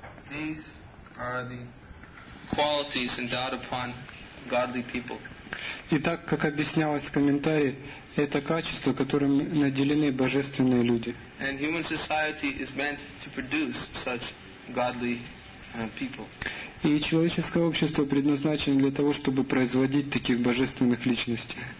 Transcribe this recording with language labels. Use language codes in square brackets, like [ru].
[en] These are the qualities endowed upon godly people. [ru] Итак, как объяснялось в комментарии, это качества, которыми наделены божественные люди. [en] And human society is meant to produce such godly people. [ru] И человеческое общество предназначено для того, чтобы производить таких божественных личностей.